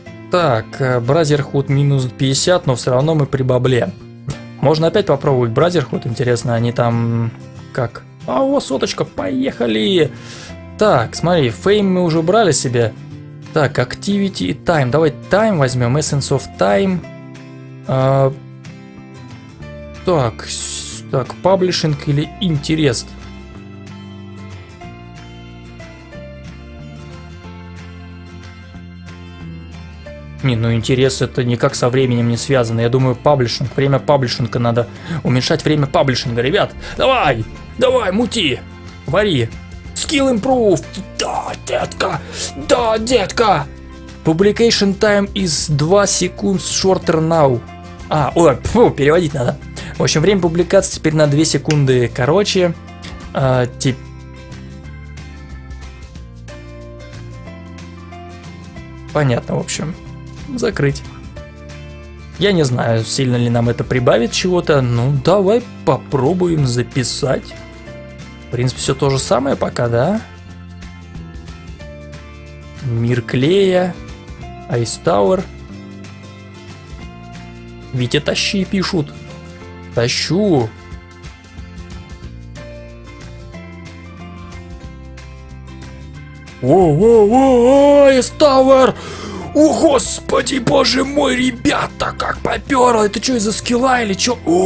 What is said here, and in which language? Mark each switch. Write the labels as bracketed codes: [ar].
[ru] Так, Brotherhood минус 50, но все равно мы при бабле. Можно опять попробовать Brotherhood, интересно, они там как... А, о, соточка, поехали! Так, смотри, Fame мы уже брали себе. Так, Activity и Time. Давай Time возьмем, Essence of Time. Так, паблишинг или интерес? Не, ну интерес это никак со временем не связано. Я думаю, паблишинг, время паблишинга надо уменьшать время паблишинга, ребят. Давай, давай, мути, вари. [en] Skill improved. [ru] Да, детка, да, детка. [en] Publication time is 2 seconds shorter now. [ru] А, ой, переводить надо. В общем, время публикации теперь на 2 секунды короче. Понятно, в общем. Закрыть. Я не знаю, сильно ли нам это прибавит чего-то. Ну, давай попробуем записать. В принципе, все то же самое пока, да? Мир клея. Ice Tower. Витя, тащи, пишут. Тащу. Воу-воу-воу-воу, Ice Tower! О, господи, боже мой, ребята, как попёрло! Это что, из-за скилла или чё?